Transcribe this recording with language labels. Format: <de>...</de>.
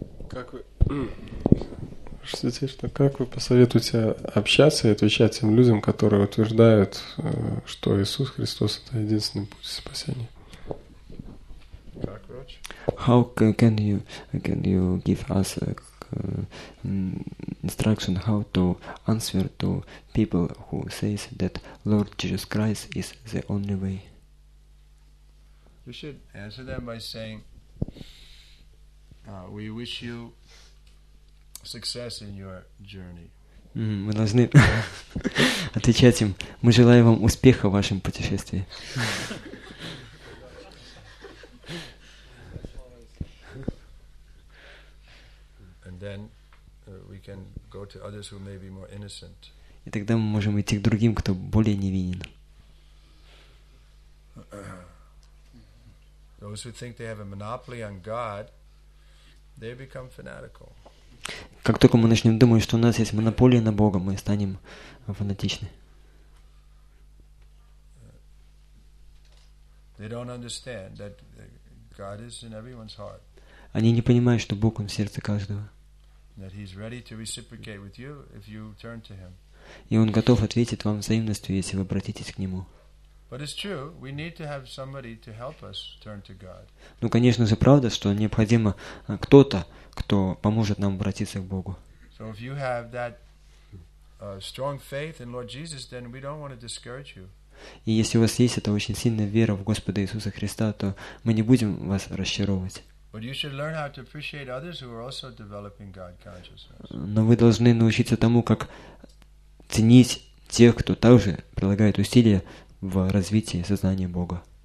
<ru>Как вы посоветуете общаться и отвечать тем людям, которые утверждают, что Иисус Христос это единственный путь спасения?</ru> <en>How can you give us instruction how to answer to people who says that Lord Jesus Christ is the only way? You should answer them by saying, "We wish you success in your journey."</en> <ru>Мы должны отвечать им. Мы желаем вам успеха в вашем путешествии.</ru> <en>Then we can go to others who may be more innocent.</en> <ru>И тогда мы можем идти к другим, кто более невинен.</ru> <en>Those who think they have a monopoly on God, they become fanatical.</en> <ru>Как только мы начнем думать, что у нас есть монополия на Бога, мы станем фанатичны.</ru> <en>They don't understand that God is in everyone's heart.</en> <ru>Они не понимают, что Бог в сердце каждого.</ru> <en>That he's ready to reciprocate with you if you turn to him.</en> <ru>И он готов ответить вам взаимностью, если вы обратитесь к нему.</ru> <en>But it's true, we need to have somebody to help us turn to God.</en> <ru>Ну, конечно же, правда, что необходимо кто-то, кто поможет нам обратиться к Богу.</ru> <en>So if you have that strong faith in Lord Jesus, then we don't want to discourage you.</en> <ru>И если у вас есть эта очень сильная вера в Господа Иисуса Христа, то мы не будем вас расчаровывать. Но вы должны научиться тому, как ценить тех, кто также прилагает усилия в развитии сознания Бога.</ru>